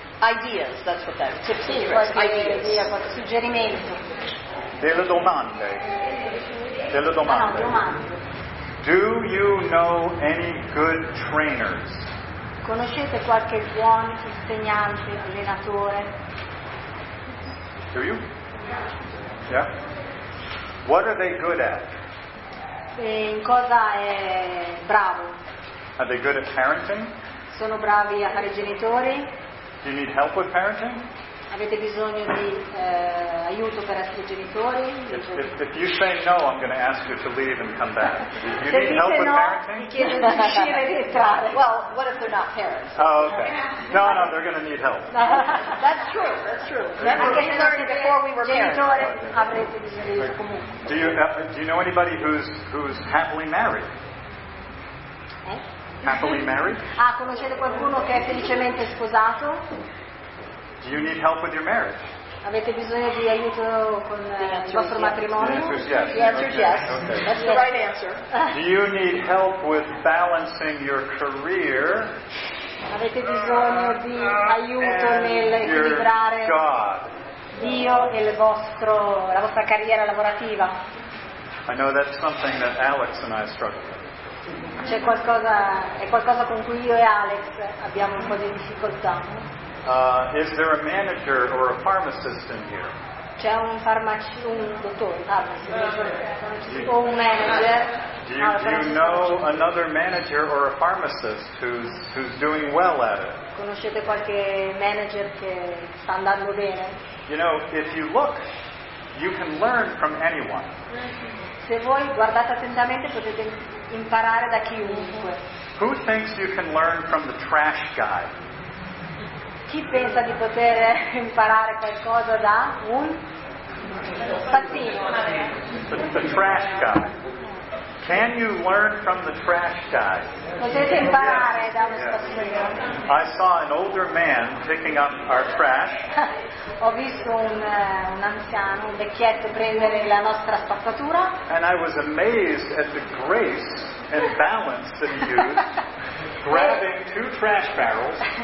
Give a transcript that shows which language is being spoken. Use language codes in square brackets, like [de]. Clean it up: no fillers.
[en] Ideas, that's what that is. Tips, ideas. [it] Qualche suggerimento. Delle domande. [en] Do you know any good trainers? [it] Conoscete qualche buon insegnante, allenatore? [en] Do you? Yeah. What are they good at? [it] E in cosa è bravo? [en] Are they good at parenting? [it] Sono bravi a fare genitori? [en] Do you need help with parenting? [it] Avete bisogno di aiuto per essere genitori? [en] If you say no, I'm going to ask you to leave and come back. You [it] se [en] need help [it] no, [en] with parenting? Well, what if they're not parents? Oh, okay. No, they're going to need help. That's true. Never learned before we were married. Do you know anybody who's happily married? Happily married? [it] Ah, conoscete qualcuno che è felicemente sposato? [en] Do you need help with your marriage? [it] Avete bisogno di aiuto con il vostro matrimonio? [en] The answer is yes. The answer is yes. Okay. That's the right answer. Do you need help with balancing your career? [it] Avete bisogno di aiuto nel equilibrare Dio e la vostra carriera lavorativa? [en] I know that's something that Alex and I struggle with. [it] C'è qualcosa, è qualcosa con cui io e Alex abbiamo un po' di difficoltà. [en] Is there a manager or a pharmacist in here? [it] C'è un farmacista, un dottore, o un manager? [en] Do you know another manager or a pharmacist who's doing well at it? [it] Conoscete qualche manager che sta andando bene? [en] You know, if you look, you can learn from anyone. [it] Se voi guardate attentamente potete imparare da chiunque. [en] Who thinks you can learn from the trash guy? [it] Chi pensa di poter imparare qualcosa da un spazzino? [en] The trash guy. Can you learn from the trash guy? [it] Potete imparare da uno spazzino. [en] I saw an older man picking up our trash. [it] Ho visto un anziano, un vecchietto prendere la nostra spazzatura. [en] And I was amazed at the grace and balance that he used, grabbing two trash barrels.